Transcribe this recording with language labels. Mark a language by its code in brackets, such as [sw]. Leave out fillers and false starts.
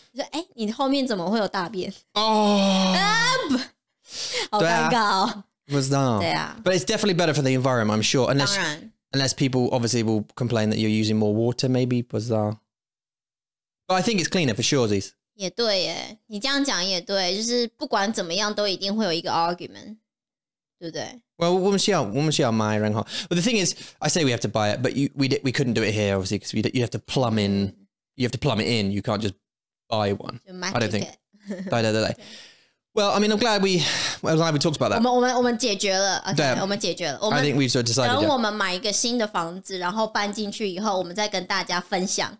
[zh] 哎，你后面怎么会有大便？哦、好尴尬哦！不知道。对啊 [en] ，But it's definitely better for the environment, I'm sure. Unless, [zh] 当然 [en] ，unless people obviously will complain that you're using more water, maybe [zh] 不知道。 [en] But I think it's cleaner for sure, these. [zh] 也对耶，你这样讲也对，就是不管怎么样，都一定会有一个 argument， 对不对 [en] ？Well, [zh] 我们需要买，然后 [en] ，But the thing is, I say we have to buy it, but we couldn't do it here, obviously, because you have to plumb it in. You can't just buy one. I don't think. [zh] 对对对对 [en] Well, I mean, I'm glad we talked about that. [zh] 我们解决了 okay, 对，我们解决了。 [en] I think we've sort of decided. [zh] 等我们买一个新的房子，然后搬进去以后，我们再跟大家分享。